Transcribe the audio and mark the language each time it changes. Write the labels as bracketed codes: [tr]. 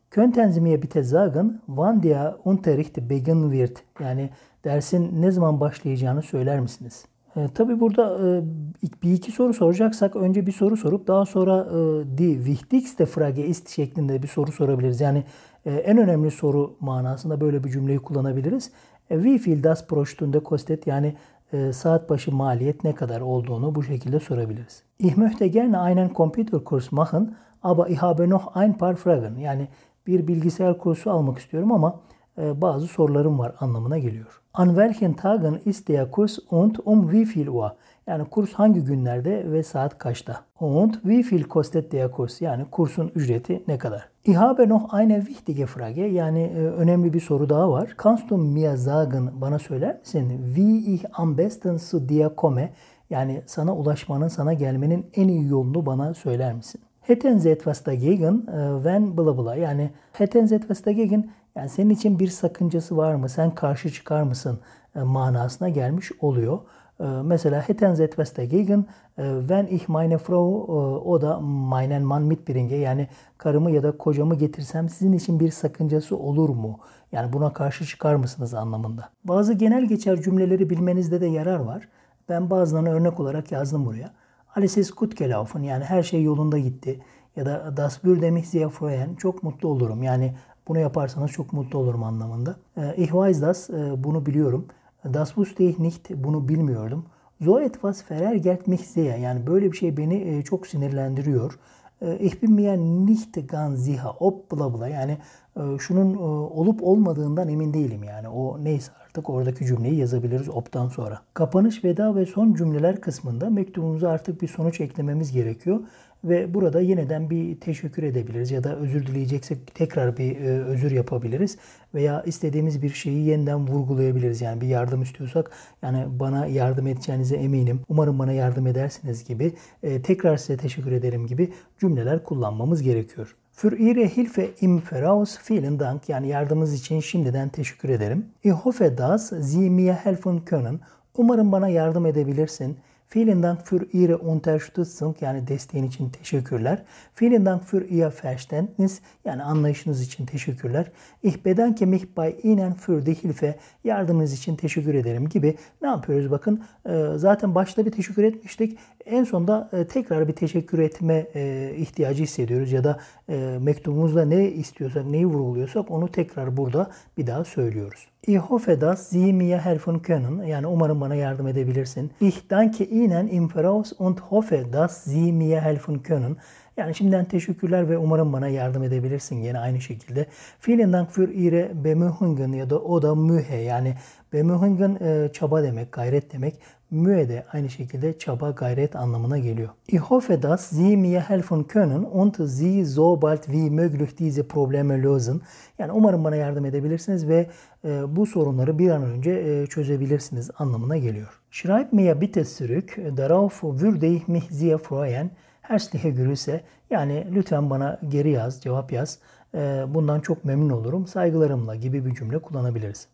[de] Könnten Sie mir bitte sagen, wann der Unterricht beginnen wird? [tr] Yani dersin ne zaman başlayacağını söyler misiniz? Tabii burada bir iki soru soracaksak önce bir soru sorup daha sonra [de] die wichtigste Frage ist [tr] şeklinde bir soru sorabiliriz. Yani en önemli soru manasında böyle bir cümleyi kullanabiliriz. [de] Wie viel das pro Stunde kostet? [tr] Yani saat başı maliyet ne kadar olduğunu bu şekilde sorabiliriz. [de] Ich möchte gerne einen Computerkurs machen, aber ich habe noch ein paar Fragen. [tr] Yani bir bilgisayar kursu almak istiyorum ama bazı sorularım var anlamına geliyor. [de] An welchen Tagen ist der Kurs und um wie viel Uhr? [tr] Yani kurs hangi günlerde ve saat kaçta? [de] Und wie viel kostet der Kurs? [tr] Yani kursun ücreti ne kadar? [de] Ich habe noch eine wichtige Frage. [tr] Yani önemli bir soru daha var. [de] Kannst du mir sagen, [tr] bana söyler misin? [de] Wie ich am besten zu dir komme? [tr] Yani sana ulaşmanın, sana gelmenin en iyi yolunu bana söyler misin? [de] Hätten Sie etwas dagegen, wenn bla bla. [tr] Yani [de] hätten Sie etwas dagegen, [tr] yani senin için bir sakıncası var mı? Sen karşı çıkar mısın? Manasına gelmiş oluyor. Mesela [de] hätten Sie etwas dagegen, wenn ich meine Frau oder meinen Mann mitbringe. [tr] Yani karımı ya da kocamı getirsem sizin için bir sakıncası olur mu? Yani buna karşı çıkar mısınız anlamında. Bazı genel geçer cümleleri bilmenizde de yarar var. Ben bazılarını örnek olarak yazdım buraya. [de] Alles ist gut gelaufen, [tr] yani her şey yolunda gitti. Ya da [de] das würde mich sehr freuen, [tr] çok mutlu olurum. Yani bunu yaparsanız çok mutlu olurum anlamında. [de] Ich weiß das, [tr] bunu biliyorum. [de] Das wusste ich nicht, [tr] bunu bilmiyordum. [de] So etwas verärgert mich sehr, [tr] yani böyle bir şey beni çok sinirlendiriyor. [de] Ich bin mir nicht ganz sicher, ob bla bla. [tr] Yani şunun olup olmadığından emin değilim yani. O neyse artık oradaki cümleyi yazabiliriz ob'dan sonra. Kapanış, veda ve son cümleler kısmında mektubumuza artık bir sonuç eklememiz gerekiyor. Ve burada yeniden bir teşekkür edebiliriz ya da özür dileyeceksek tekrar bir özür yapabiliriz. Veya istediğimiz bir şeyi yeniden vurgulayabiliriz. Yani bir yardım istiyorsak, yani bana yardım edeceğinize eminim, umarım bana yardım edersiniz gibi, tekrar size teşekkür ederim gibi cümleler kullanmamız gerekiyor. [de] Für Ihre Hilfe im Voraus vielen Dank. [tr] Yani yardımınız için şimdiden teşekkür ederim. [de] Ich hoffe, dass Sie mir helfen können. [tr] Umarım bana yardım edebilirsin. [de] Vielen Dank für Ihre Unterstützung. [tr] Yani desteğin için teşekkürler. [de] Vielen Dank für Ihr Verständnis. [tr] Yani anlayışınız için teşekkürler. [de] Ich bedanke mich bei Ihnen für die Hilfe. [tr] Yardımınız için teşekkür ederim gibi. Ne yapıyoruz bakın. Zaten başta bir teşekkür etmiştik. En sonunda tekrar bir teşekkür etme ihtiyacı hissediyoruz. Ya da mektubumuzda ne istiyorsak, neyi vurguluyorsak onu tekrar burada bir daha söylüyoruz. [de] Ich hoffe, dass Sie mir helfen können. [tr] Yani umarım bana yardım edebilirsin. [de] Ich danke Ihnen im Voraus und hoffe, dass Sie mir helfen können. [tr] Yani şimdiden teşekkürler ve umarım bana yardım edebilirsin yine aynı şekilde. [de] Vielen Dank für Ihre Bemühungen, [tr] ya da o da [de] mühe. [tr] Yani Bemühungen çaba demek, gayret demek. Mühe de aynı şekilde çaba, gayret anlamına geliyor. [de] Ich hoffe, dass Sie mir helfen können und Sie so bald wie möglich diese Probleme lösen. [tr] Yani umarım bana yardım edebilirsiniz ve bu sorunları bir an önce çözebilirsiniz anlamına geliyor. [de] Schreib mir bitte zurück, darauf würde ich mich sehr freuen. Herzliche Grüße. [tr] Yani lütfen bana geri yaz, cevap yaz. Bundan çok memnun olurum. Saygılarımla gibi bir cümle kullanabiliriz.